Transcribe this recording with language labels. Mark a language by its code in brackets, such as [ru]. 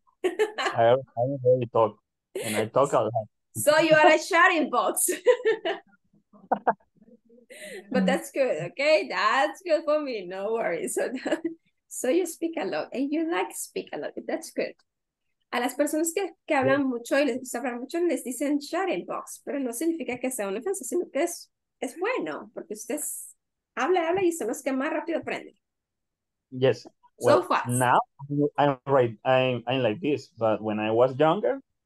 [en] I already talk, and I talk a lot. So you are a chatting box. But that's good, okay? That's good for me, no worries. So you speak a lot, and you like speak a lot, that's good. [es] A las personas que hablan mucho y les gusta hablar mucho les dicen chatting box, pero no significa que sea una ofensa, sino que es bueno, porque ustedes habla y son los que más rápido aprenden. [en] Yes. So well, fast. Now I'm like this, but when I was younger,